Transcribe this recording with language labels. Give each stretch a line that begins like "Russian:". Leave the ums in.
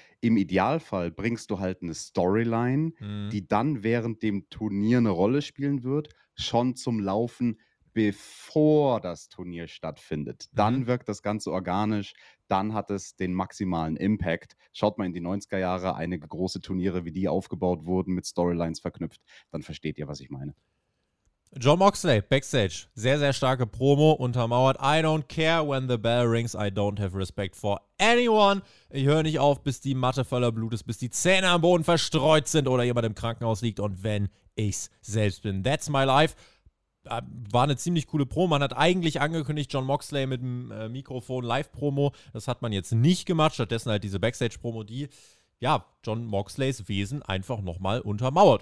German: Im Idealfall bringst du halt eine Storyline, die dann während dem Turnier eine Rolle spielen wird, schon zum Laufen, bevor das Turnier stattfindet. Dann Mhm. wirkt das Ganze organisch, dann hat es den maximalen Impact. Schaut mal in die 90er Jahre, einige große Turniere, wie die aufgebaut wurden, mit Storylines verknüpft. Dann versteht ihr, was ich meine. John Moxley, Backstage. Sehr, sehr starke Promo, untermauert.
English: I don't care when the bell rings, I don't have respect for anyone.
German: Ich höre nicht auf, bis die Matte voller Blut ist, bis die Zähne am Boden verstreut sind oder jemand im Krankenhaus liegt und wenn ich's selbst bin.
English: That's my life.
German: Äh, War eine ziemlich coole Promo. Man hat eigentlich angekündigt, John Moxley mit dem äh, Mikrofon Live-Promo. Das hat man jetzt nicht gemacht. Stattdessen halt diese Backstage-Promo, die ja, John Moxleys Wesen einfach nochmal untermauert.